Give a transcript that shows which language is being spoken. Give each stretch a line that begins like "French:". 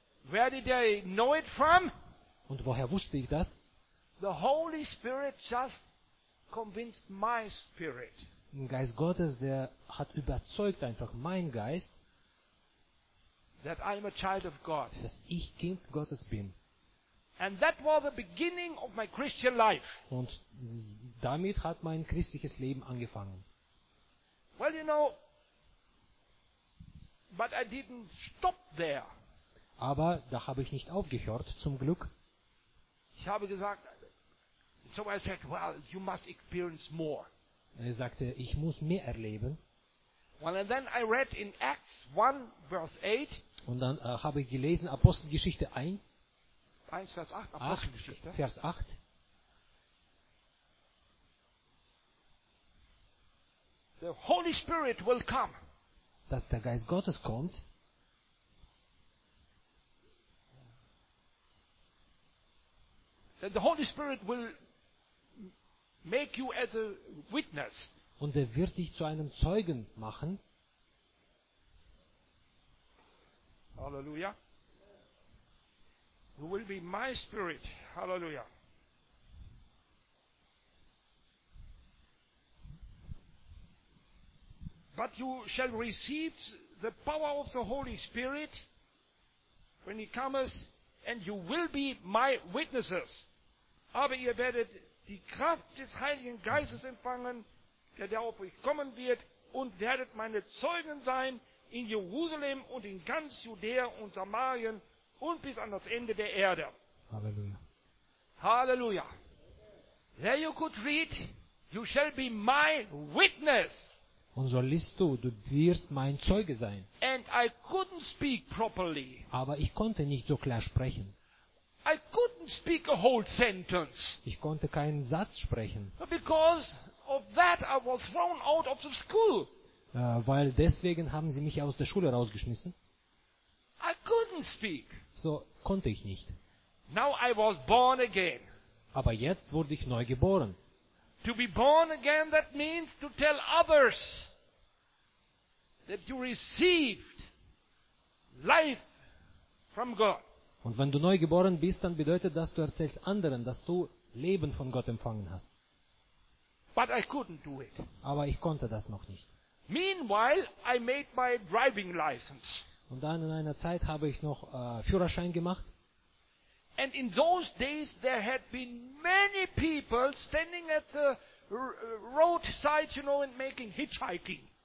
English: Where did I know it from?
German: Und woher wusste ich das?
English: The Holy Spirit just convinced my spirit.
German: Ein Geist Gottes, der hat überzeugt einfach mein Geist,
English: that I am a child of God.
German: Dass ich Kind Gottes bin.
English: And that was the beginning of my Christian life.
German: Und damit hat mein christliches Leben angefangen.
English: Well, you know, but I didn't stop there.
German: Aber da habe ich nicht aufgehört, zum Glück. Ich habe gesagt,
English: so I said, well, you must experience more.
German: Er sagte, ich muss mehr erleben.
English: Well, and then I read in Acts 1, verse 8.
German: Und dann habe ich gelesen, Apostelgeschichte 1. 1, Vers 8, Apostelgeschichte. 8, Vers 8.
English: The Holy Spirit will come.
German: Dass der Geist Gottes kommt.
English: The Holy Spirit will make you as a witness.
German: Und er wird dich zu einem Zeugen machen. Halleluja.
English: You will be my spirit. Halleluja. But you shall receive the power of the Holy Spirit when he cometh, and you will be my witnesses.
German: Aber ihr werdet die Kraft des Heiligen Geistes empfangen, der auf euch kommen wird, und werdet meine Zeugen sein in Jerusalem und in ganz Judäa und Samarien und bis an das Ende der Erde. Halleluja. Halleluja.
English: There you could read, you shall be my witness.
German: Und so liest du wirst mein Zeuge sein.
English: And I couldn't speak properly.
German: Aber ich konnte nicht so klar sprechen.
English: I couldn't speak a whole sentence.
German: Ich konnte keinen Satz sprechen.
English: Because of that I was thrown out of the school.
German: Weil deswegen haben sie mich aus der Schule rausgeschmissen.
English: I couldn't speak.
German: So konnte ich nicht.
English: Now I was born again.
German: Aber jetzt wurde ich neu geboren.
English: To be born again, that means to tell others that you received life from God.
German: Und wenn du neu geboren bist, dann bedeutet das, du erzählst anderen, dass du Leben von Gott empfangen hast.
English: But I couldn't do it.
German: Aber ich konnte das noch nicht.
English: Meanwhile, I made my driving license.
German: Und dann in einer Zeit habe ich noch Führerschein gemacht.
English: And in those days there had been many people standing at the roadside, you know, and making hitchhiking.